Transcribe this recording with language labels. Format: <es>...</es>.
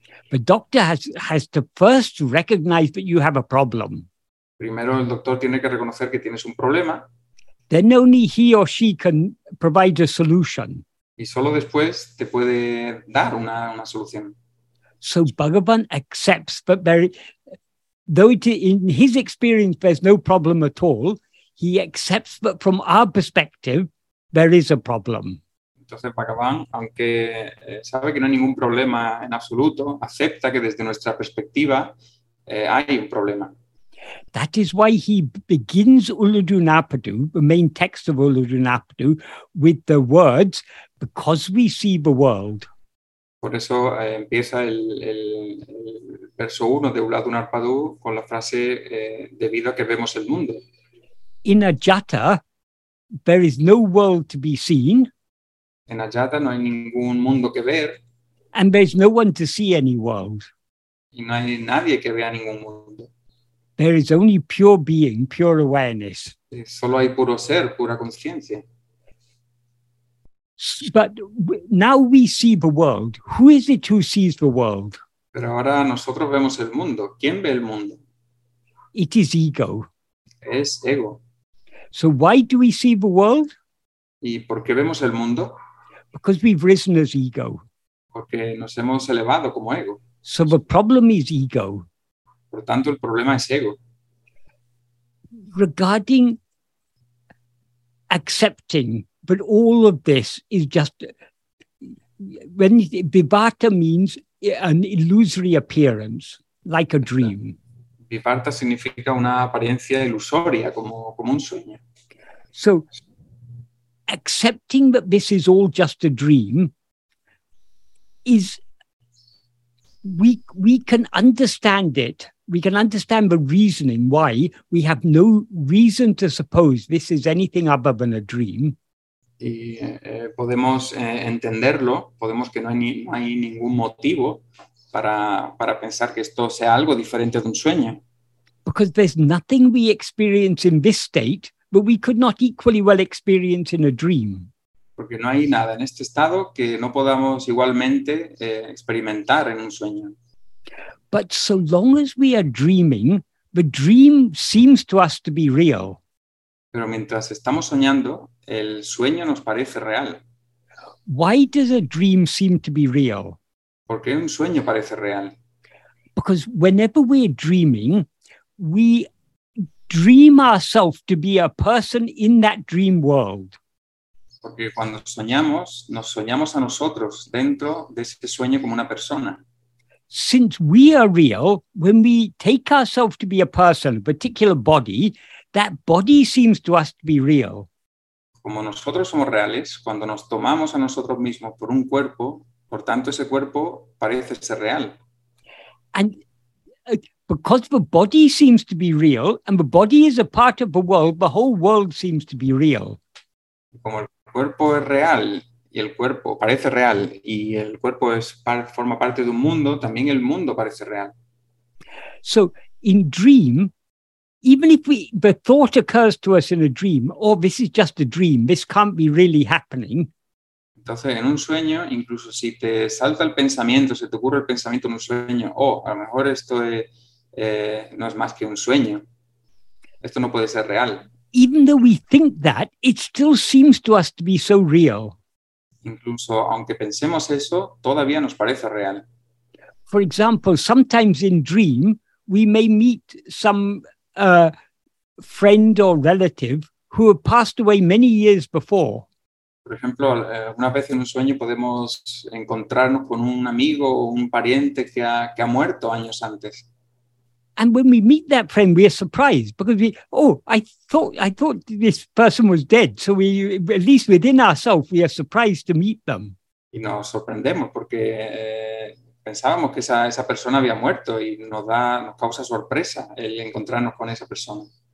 <en>The doctor has to first recognize that you have a problem.</en> <es>Primero el doctor tiene que reconocer que tienes un problema.</es> <en>Then only he or she can provide a solution.</en> <es>Y solo después te puede dar una solución.</es> <en>So Bhagavan accepts that in his experience there's no problem at all, he accepts that from our perspective there is a problem.</en> <es>Entonces Bhagavan, aunque sabe que no hay ningún problema en absoluto, acepta que desde nuestra perspectiva hay un problema.</es> <en>That is why he begins Uludhunapadu, the main text of Uludhunapadu, with the words, because we see the world.</en> <es>Por eso empieza el verso 1 de Uludhunapadu con la frase debido a que vemos el mundo.</es> <en>In Ajata, there is no world to be seen.</en> <es>En Ajata no hay ningún mundo que ver.</es> <en>And there is no one to see any world.</en> <es>Y no hay nadie que vea ningún mundo.</es> <en>There is only pure being, pure awareness.</en> <es>Solo hay puro ser, pura conciencia.</es> <en>But now we see the world. Who is it who sees the world?</en> <es>Pero ahora nosotros vemos el mundo. ¿Quién ve el mundo?</es> <en>It is ego.</en> <es>Es ego.</es> <en>So why do we see the world?</en> <es>¿Y por qué vemos el mundo?</es> <en>Because we've risen as ego.</en> <es>Porque nos hemos elevado como ego.</es> <en>So the problem is ego.</en> <es>Por tanto, el problema es ego.</es> <en>Regarding accepting But all of this is just, when vivarta means an illusory appearance, like a dream.</en> <es>Vivarta significa una apariencia ilusoria, como un sueño.</es> <en>So, accepting that this is all just a dream is, we can understand it. We can understand the reasoning why we have no reason to suppose this is anything other than a dream.</en> <es>Y podemos entenderlo, podemos que no hay ningún motivo para pensar que esto sea algo diferente de un sueño.</es> <en>Because there's nothing we experience in this state that we could not equally well experience in a dream.</en> <es>Porque no hay nada en este estado que no podamos igualmente experimentar en un sueño.</es> <en>But so long as we are dreaming, the dream seems to us to be real.</en> <es>Pero mientras estamos soñando, el sueño nos parece real.</es> <en>Why does a dream seem to be real?</en> <es>¿Por qué un sueño parece real?</es> <en>Because whenever we're dreaming, we dream ourselves to be a person in that dream world.</en> <es>Porque cuando soñamos, nos soñamos a nosotros dentro de ese sueño como una persona.</es> <en>Since we are real, when we take ourselves to be a person, a particular body, that body seems to us to be real.</en> <es>Como nosotros somos reales, cuando nos tomamos a nosotros mismos por un cuerpo, por tanto ese cuerpo parece ser real.</es> <en>And because the body seems to be real, and the body is a part of the whole world seems to be real.</en> <es>Como el cuerpo es real, y el cuerpo parece real, y el cuerpo forma parte de un mundo, también el mundo parece real.</es> <en>So, in dream, even if the thought occurs to us in a dream, oh, this is just a dream, this can't be really happening.</en> <es>Entonces, en un sueño, incluso si te salta el pensamiento, se te ocurre el pensamiento en un sueño, oh, a lo mejor esto no es más que un sueño. Esto no puede ser real.</es> <en>Even though we think that, it still seems to us to be so real.</en> <es>Incluso aunque pensemos eso, todavía nos parece real.</es> <en>For example, sometimes in dream, we may meet some friend or relative who have passed away many years before.</en> <es>Por ejemplo, una vez en un sueño podemos encontrarnos con un amigo o un pariente que ha muerto años antes.</es> <en>And when we meet that friend, we are surprised because I thought this person was dead. So we, at least within ourselves, we are surprised to meet them.</en> <es>Y nos sorprendemos porque pensábamos que esa persona había muerto y nos causa sorpresa el encontrarnos con esa persona.</es>